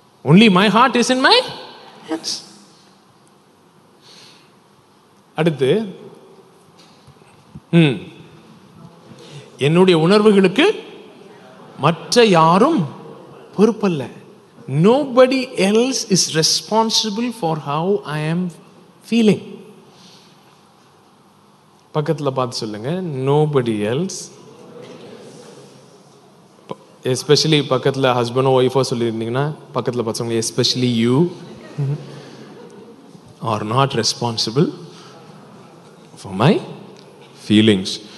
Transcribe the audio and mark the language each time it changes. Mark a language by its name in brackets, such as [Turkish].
[English] Only my heart is in my hands. [Tamil] அடுத்து, என்னுடைய உணர்வுகளுக்கு மற்ற யாரும் பொறுப்பல்ல. [English] Nobody else is responsible for how I am feeling. [Tamil] பக்கத்தில் பார்த்து சொல்லுங்க, [English] Nobody else. Especially [Tamil] பக்கத்தில் ஹஸ்பண்டோ ஒய்ஃபோ சொல்லியிருந்தீங்கன்னா பக்கத்தில் பார்த்து சொல்லுங்க, [English] Especially you are not responsible For my feelings.